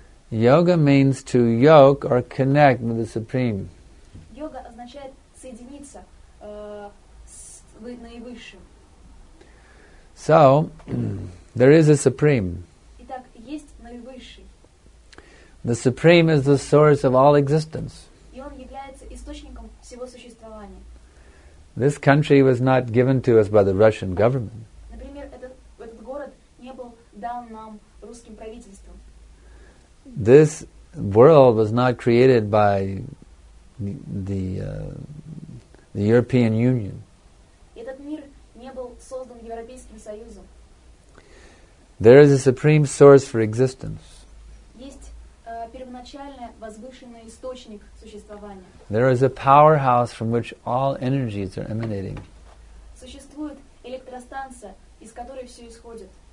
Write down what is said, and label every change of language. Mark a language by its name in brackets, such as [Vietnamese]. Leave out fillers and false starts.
[English] Yoga means to yoke or connect with the Supreme. [Russian] Yoga означает соединиться с наивысшим. [English] So, there is a Supreme. [Russian] Итак, есть наивысший. [English] The Supreme is the source of all existence. [Russian] И он является источником всего существования. [English] This country was not given to us by the Russian government. [Russian] Например, этот город не был дан нам русским правительством. [English] This world was not created by the European Union. [Russian] Этот мир не был создан Европейским Союзом. [English] There is a supreme source for existence. [Russian] Есть первоначальный возвышенный источник существования. [English] There is a powerhouse from which all energies are emanating. [Russian] Существует электростанция, из которой все исходит.